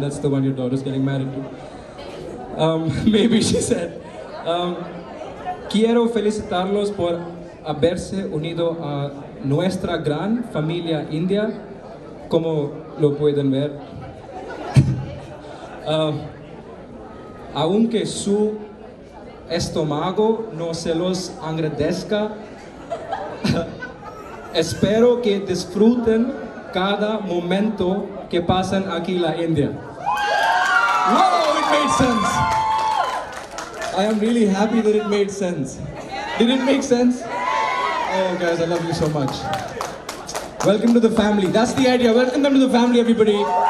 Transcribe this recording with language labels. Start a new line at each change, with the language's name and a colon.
English: That's the one your daughter's getting married to. Maybe, she said.
Spanish: Quiero felicitarlos por haberse unido a nuestra gran familia india, como lo pueden ver. Aunque su estómago no se los agradezca, espero que disfruten cada momento que pasan aquí en la India.
English: Wow, it made sense. I am really happy that it made sense. Did it make sense? Oh guys, I love you so much. Welcome to the family. That's the idea. Welcome them to the family, everybody.